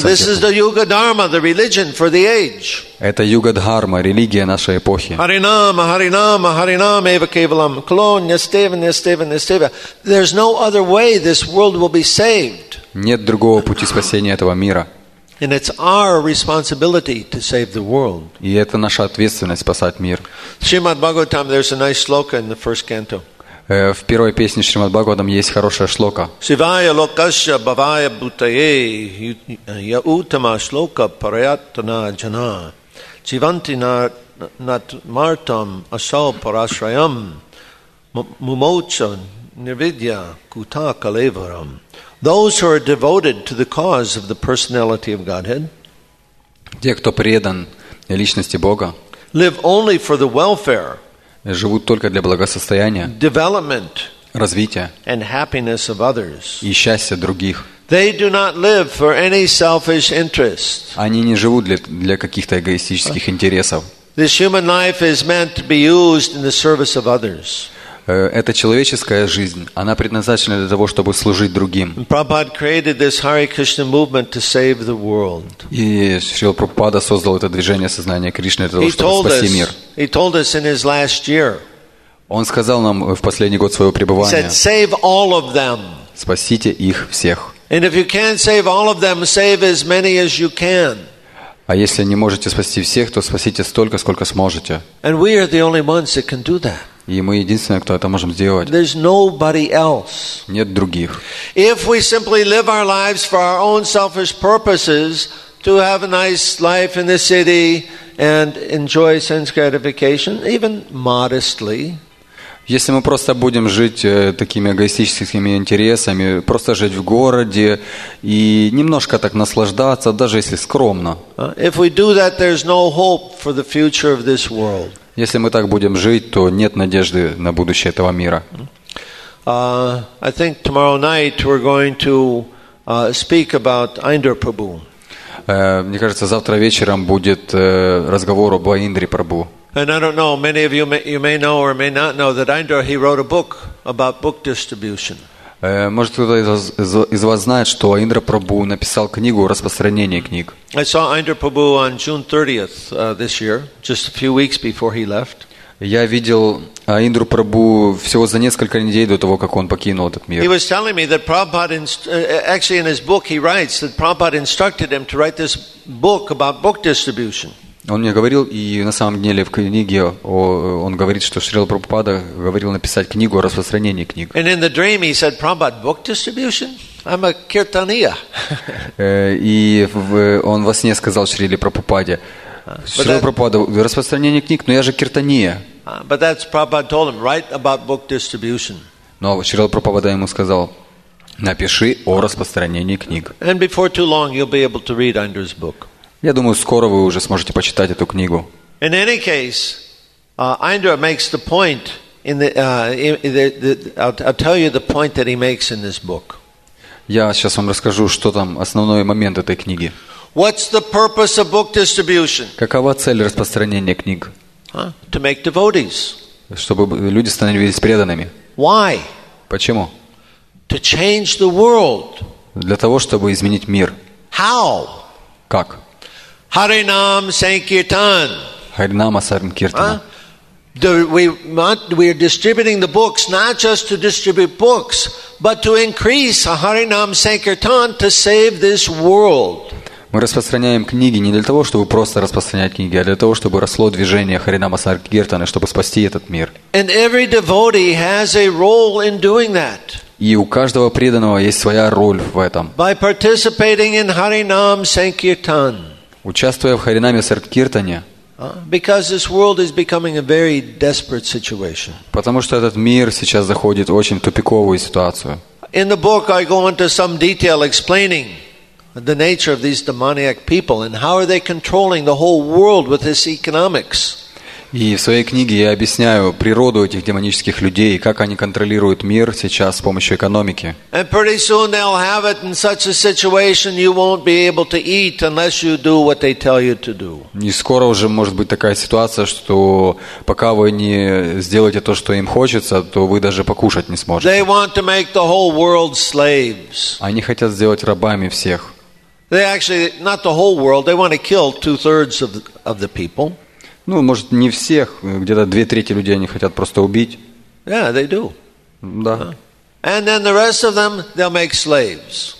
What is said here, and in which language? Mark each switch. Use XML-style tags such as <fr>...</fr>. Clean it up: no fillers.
<en>This is the Yuga Dharma, the religion for the age.</en> <ru>Это Юга Дхарма, религия нашей эпохи.</ru> <sa>Харинама, Харинама, Харинама, Эва Кевалам, Клон, Нестева, Нестева, Нестева.</sa> <en>There's no other way this world will be saved.</en> <ru>Нет другого пути спасения этого мира.</ru> <en>And it's our responsibility to save the world.</en> <ru>И это наша ответственность спасать мир.</ru> <en>Shrimad Bhagavatam, there's a nice shloka in the first canto.</en> <ru>В первой песне Шримад Бхагаватам есть хорошая шлока.</ru> <sa>Шивая локасья бхавая бутае яутама шлока параятана джана чиванти над мартам асау парашрайам мумоча нирвидья кута калеварам.</sa> <en>Those who are devoted to the cause of the personality of Godhead,</en> <ru>те, кто предан личности Бога,</ru> <en>live only for the welfare,</en> <ru>живут только для благосостояния,</ru> <en>development,</en> <ru>развития,</ru> <en>and happiness of others,</en> <ru>и счастья других.</ru> <en>They do not live for any selfish interest.</en> <ru>Они не живут для каких-то эгоистических интересов.</ru> <en>This human life is meant to be used in the service of others.</en> <ru>Эта человеческая жизнь, она предназначена для того, чтобы служить другим. И Шрила Прабхупада создал это движение сознания Кришны для того, чтобы спасти мир. Он сказал нам в последний год своего пребывания, спасите их всех. А если не можете спасти всех, то спасите столько, сколько сможете. И мы единственные, кто может сделать это. И мы единственные, кто это можем сделать.</ru> <en>There's nobody else.</en> <ru>Нет других.</ru> <en>If we simply live our lives for our own selfish purposes, to have a nice life in the city and enjoy sense gratification, even modestly.</en> <ru>Если мы просто будем жить такими эгоистическими интересами, просто жить в городе и немножко так наслаждаться, даже если скромно.</ru> <en>If we do that, there's no hope for the future of this world.</en> <ru>Если мы так будем жить, то нет надежды на будущее этого мира.</ru> <en>I think tomorrow night we're going to speak about Indra Prabhu.</en> <ru>Мне кажется, завтра вечером будет разговор об Индре Прабху.</ru> <en>And I don't know, many of you may know or may not know that Indra, he wrote a book about book distribution.</en> <ru>Может, кто-то из вас знает, что Индра Прабху написал книгу о распространении книг.</ru> <en>I saw Indra Prabhu on June 30th this year, just a few weeks before he left.</en> <ru>Я видел Индру Прабху всего за несколько недель до того, как он покинул этот мир.</ru> <en>He was telling me that Prabhupada, actually in his book he writes, that Prabhupada instructed him to write this book about book distribution.</en> <ru>Он мне говорил, и на самом деле в книге он говорит, что Шрила Прабхупада говорил написать книгу о распространении книг.</ru> <en>And in the dream he said, Prabhupada, book distribution? I'm a kirtaniya.</en> <ru>И он во сне сказал Шриле Прабхупаде, Шрила Прабхупада, распространение книг, но я же киртания.</ru> <en>But that's Prabhupada told him, write about book distribution.</en> <ru>Но Шрила Прабхупада ему сказал: напиши о распространении книг.</ru> <en>And before too long you'll be able to read Andrew's book.</en> <ru>Я думаю, скоро вы уже сможете почитать эту книгу.</ru> <en>In any case, Andrew makes the point in I'll tell you the point that he makes in this book.</en> <ru>Я сейчас вам расскажу, что там основной момент этой книги.</ru> <en>What's the purpose of book distribution?</en> <ru>Какова цель распространения книг?</ru> <en>To make devotees.</en> <ru>Чтобы люди становились преданными.</ru> <en>Why?</en> <ru>Почему?</ru> <en>To change the world.</en> <ru>Для того, чтобы изменить мир.</ru> <en>How?</en> <ru>Как? Харинам санкиртан. Харинама санкиртана.</ru> <en>We are distributing the books not just to distribute books, but to increase Harinam Sankirtan to save this world.</en> <ru>Мы распространяем книги не для того, чтобы просто распространять книги, а для того, чтобы росло движение Харинама Санкиртаны, чтобы спасти этот мир.</ru> <en>And every devotee has a role in doing that.</en> <ru>И у каждого преданного есть своя роль в этом.</ru> <en>By participating in Harinam Sankirtan.</en> <ru>Участвуя в Харинаме Санкиртане.</ru> <en>Because this world is becoming a very desperate situation.</en> <ru>Потому что этот мир сейчас заходит в очень тупиковую ситуацию.</ru> <en>In the book, I go into some detail explaining the nature of these demoniac people and how are they controlling the whole world with this economics.</en> <ru>И в своей книге я объясняю природу этих демонических людей и как они контролируют мир сейчас с помощью экономики.</ru> <en>And pretty soon they'll have it in such a situation you won't be able to eat unless you do what they tell you to do.</en> <ru>И скоро уже может быть такая ситуация, что пока вы не сделаете то, что им хочется, то вы даже покушать не сможете.</ru> <en>They want to make the whole world slaves.</en> <ru>Они хотят сделать рабами всех.</ru> <en>They actually not the whole world. They want to kill 2/3 of the people.</en> <ru>Ну, может, не всех, где-то 2/3 людей они хотят просто убить.</ru> <en>Yeah, they do.</en> <ru>Да.</ru> <en>And then the rest of them they'll make slaves.</en>